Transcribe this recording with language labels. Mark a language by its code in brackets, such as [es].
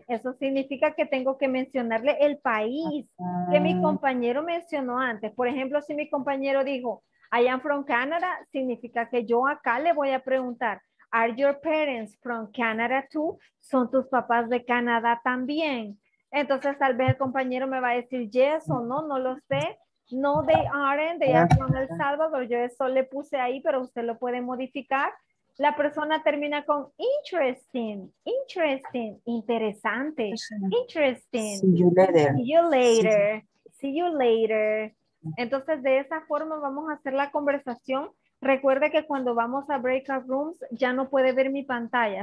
[es] Eso significa que tengo que mencionarle el país que mi compañero mencionó antes. Por ejemplo, si mi compañero dijo, [en] I am from Canada, [es] significa que yo acá le voy a preguntar, [en] are your parents from Canada too? [es] ¿Son tus papás de Canadá también? Entonces, tal vez el compañero me va a decir yes o no, no lo sé. [en] No, they aren't, they are from El Salvador. [es] Yo eso le puse ahí, pero usted lo puede modificar. La persona termina con interesting, interesting, interesante, interesting. [en] See you later. See you later. See you later. [es] Entonces, de esa forma vamos a hacer la conversación. Recuerde que cuando vamos a breakout rooms ya no puede ver mi pantalla.